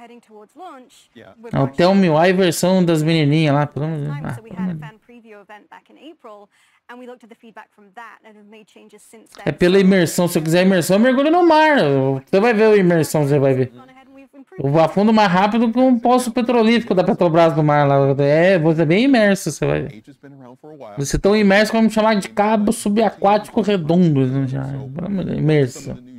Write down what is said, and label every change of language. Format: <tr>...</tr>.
<pt>O Tell Me Why versão das menininhas lá, pelo amor de Deus. Ah, pelo</pt> <en>And we looked at the feedback from that and have made changes since then.</en> <pt>É pela imersão. Se eu quiser imersão, eu mergulho no mar. Você vai ver a imersão, você vai ver. Eu vou afundo mais rápido que um poço petrolífico da Petrobras do mar lá. É, você é bem imerso, você vai ver. Você é tão imerso que vamos chamar de cabo subaquático redondo. Já. Imersão.</pt>